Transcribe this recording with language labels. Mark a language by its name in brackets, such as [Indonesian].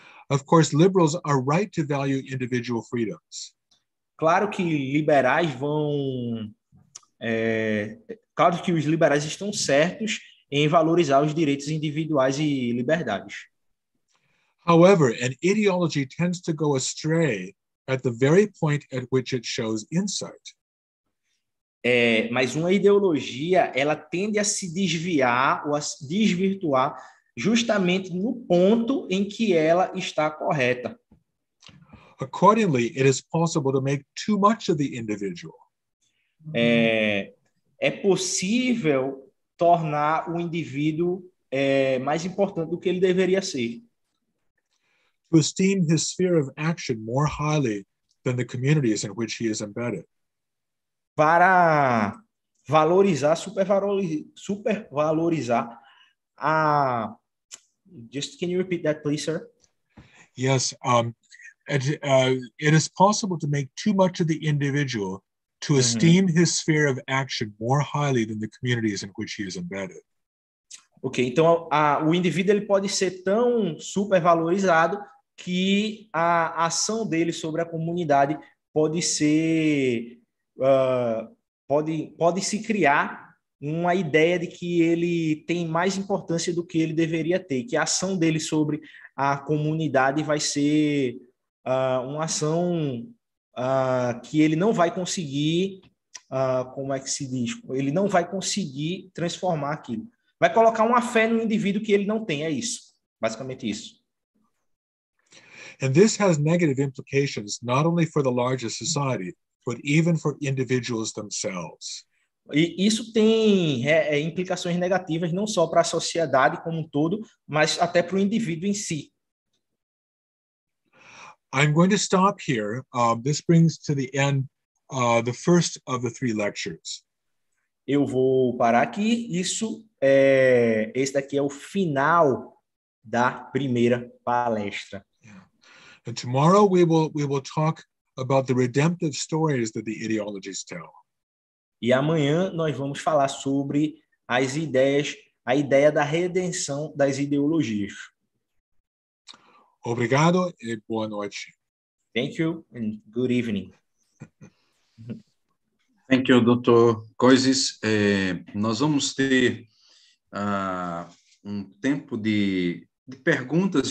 [English] Of course, liberals are right to value individual freedoms. [Portuguese] Claro que liberais vão, claro que os liberais estão certos em valorizar os direitos individuais e liberdades. [English] However, an ideology tends to go astray at the very point at which it shows insight. [Portuguese] Mas uma ideologia, ela tende a se desviar ou a se desvirtuar justamente no ponto em que ela está correta. [English] Accordingly, it is possible to make too much of the individual. [Portuguese] É possível tornar o indivíduo mais importante do que ele deveria ser. [English] To esteem his sphere of action more highly than the communities in which he is embedded. [Portuguese] Para valorizar, supervalorizar a... [English] Just can you repeat that, please, sir? Yes. It is possible to make too much of the individual to esteem his sphere of action more highly than the communities in which he is embedded. [Portuguese] Okay, então o indivíduo ele pode ser tão supervalorizado que a ação dele sobre a comunidade pode ser... pode se criar uma ideia de que ele tem mais importância do que ele deveria ter, que a ação dele sobre a comunidade vai ser uma ação que ele não vai conseguir, como é que se diz? Ele não vai conseguir transformar aquilo. Vai colocar uma fé no indivíduo que ele não tem, é isso. Basicamente isso. [English] And this has negative implications not only for the larger society, but even for individuals themselves. [Portuguese] E isso tem implicações negativas não só para a sociedade como um todo, mas até para o indivíduo em si. [English] I'm going to stop here. This brings to the end the first of the three lectures. [Portuguese] Eu vou parar aqui. Isso é, esse daqui é o final da primeira palestra. [English] And tomorrow we will talk about the redemptive stories that the ideologies tell. [Portuguese] E amanhã nós vamos falar sobre as ideias, a ideia da redenção das ideologias. Obrigado e boa noite. [English] Thank you and good evening. Thank you, [Portuguese] Dr. Coises. Nós vamos ter um tempo de perguntas.